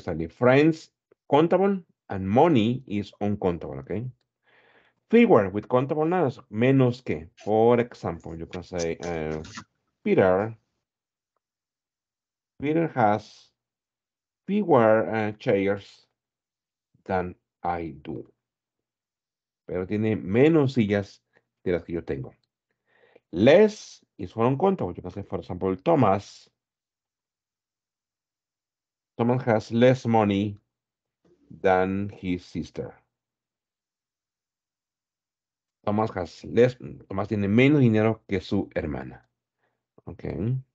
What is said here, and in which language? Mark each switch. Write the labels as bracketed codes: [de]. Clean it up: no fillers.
[en] Friends, countable, and money is uncountable, okay? Fewer with countable nouns, [es] menos que. [en] For example, you can say, Peter has fewer chairs than I do. [es] Pero tiene menos sillas de las que yo tengo. [en] Less is for uncountable. You can say, for example, Thomas has less money than his sister. [es] Thomas tiene menos dinero que su hermana. Okay.